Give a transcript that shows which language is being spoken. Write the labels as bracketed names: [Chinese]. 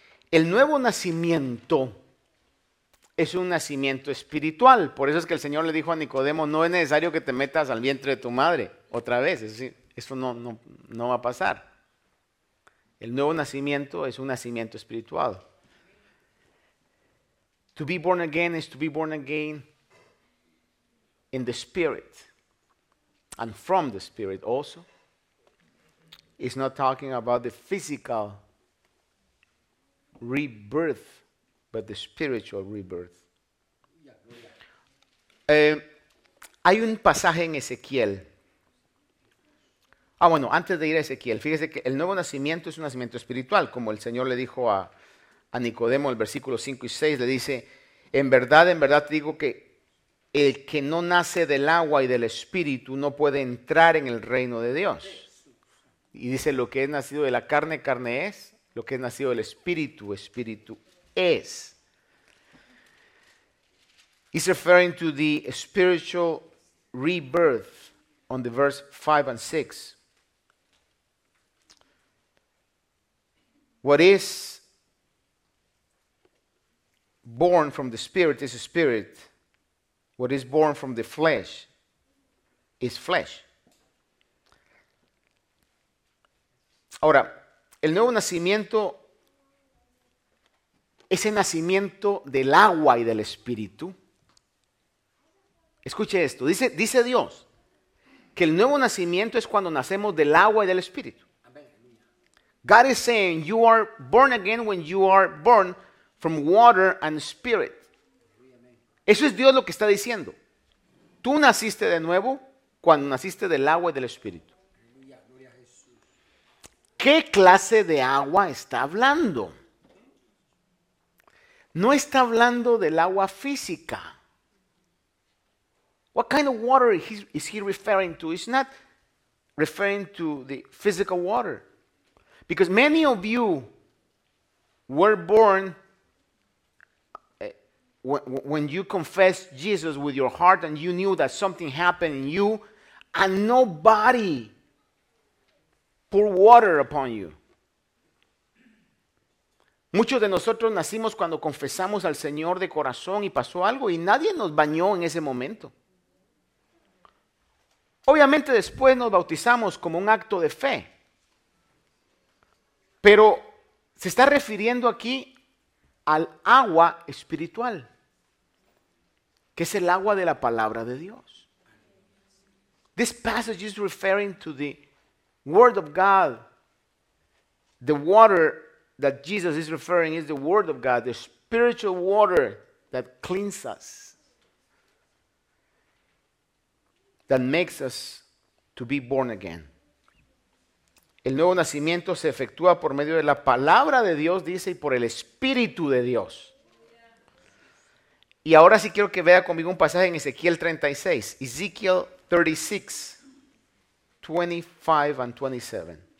[Spanish] El nuevo nacimiento es un nacimiento espiritual. Por eso es que el Señor le dijo a Nicodemo, no es necesario que te metas al vientre de tu madre otra vez. Es decir, eso no va a pasar. El nuevo nacimiento es un nacimiento espiritual. [English] To be born again is to be born again in the spirit and from the spirit also. It's not talking about the physical rebirth, but the spiritual rebirth. [Spanish] Hay un pasaje en Ezequiel. Ah, bueno, antes de ir a Ezequiel, fíjese que el nuevo nacimiento es un nacimiento espiritual, como el Señor le dijo a Nicodemo, el versículo 5 y 6, le dice, en verdad te digo que el que no nace del agua y del espíritu no puede entrar en el reino de Dios. Y dice, lo que es nacido de la carne, carne es, lo que es nacido del espíritu, espíritu es. [English] He's referring to the spiritual rebirth on the verse 5 and 6. What is born from the spirit is a spirit. What is born from the flesh is flesh. [Spanish] Ahora, el nuevo nacimiento, ese nacimiento del agua y del espíritu. Escuche esto, dice Dios que el nuevo nacimiento es cuando nacemos del agua y del espíritu. [English] God is saying you are born again when you are born from water and spirit. [Spanish] Eso es Dios lo que está diciendo. Tú naciste de nuevo cuando naciste del agua y del espíritu. ¿Qué clase de agua está hablando? No está hablando del agua física. [English] What kind of water is he referring to? It's not referring to the physical water. Because many of you were born when you confessed Jesus with your heart and you knew that something happened in you and nobody poured water upon you. [Spanish] Muchos de nosotros nacimos cuando confesamos al Señor de corazón y pasó algo y nadie nos bañó en ese momento. Obviamente después nos bautizamos como un acto de fe. Pero se está refiriendo aquí al agua espiritual, que es el agua de la palabra de Dios. [English] This passage is referring to the Word of God. The water that Jesus is referring is the Word of God, the spiritual water that cleans us, that makes us to be born again. [Spanish] El nuevo nacimiento se efectúa por medio de la palabra de Dios, dice, y por el Espíritu de Dios. Y ahora sí quiero que vea conmigo un pasaje en Ezequiel 36, Ezequiel 36, 25 and 27.